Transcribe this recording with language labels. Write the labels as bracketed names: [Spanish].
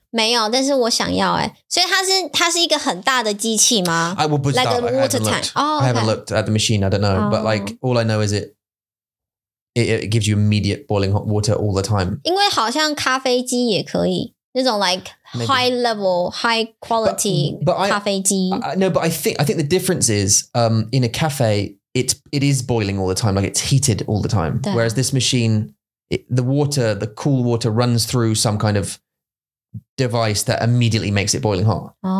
[Chinese] 没有，但是我想要哎。所以它是一个很大的机器吗? [English] I will put like a water tank. I haven't looked at the machine. I don't know, but like all I know is it gives you immediate boiling hot water all the time. [Chinese] 因为好像咖啡机也可以。那种 [English] like high level, high quality [Chinese] 咖啡机. [English] But I think the difference is in a cafe, it is boiling all the time, like it's heated all the time. Whereas this machine, the cool water runs through some kind of device that immediately makes it boiling hot.